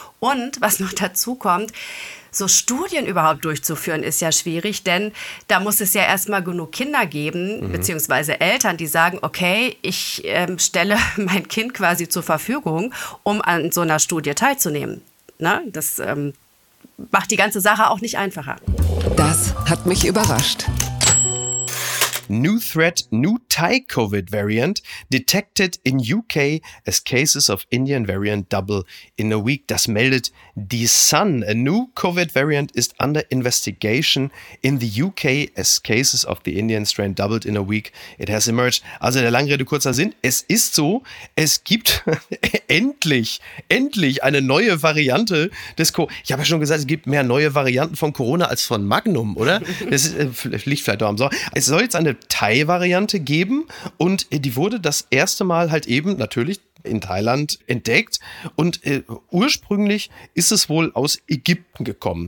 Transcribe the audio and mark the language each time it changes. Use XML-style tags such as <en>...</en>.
<de>Und was noch dazu kommt, so Studien überhaupt durchzuführen, ist ja schwierig, denn da muss es ja erstmal genug Kinder geben, beziehungsweise Eltern, die sagen, okay, ich stelle mein Kind quasi zur Verfügung, um an so einer Studie teilzunehmen. Na, das macht die ganze Sache auch nicht einfacher. Das hat mich überrascht.</de> <en>New threat, new Thai COVID variant detected in UK as cases of Indian variant double in a week.</en> <de>Das meldet The Sun.</de> <en>A new COVID variant is under investigation in the UK as cases of the Indian strain doubled in a week. It has emerged.</en> <de>Also der lange Rede kurzer Sinn. Es ist so, es gibt endlich eine neue Variante des Ich habe ja schon gesagt, es gibt mehr neue Varianten von Corona als von Magnum, oder? Das ist, vielleicht auch am Sommer. Es soll jetzt eine Thai-Variante geben und die wurde das erste Mal halt eben natürlich in Thailand entdeckt und ursprünglich ist es wohl aus Ägypten gekommen.</de>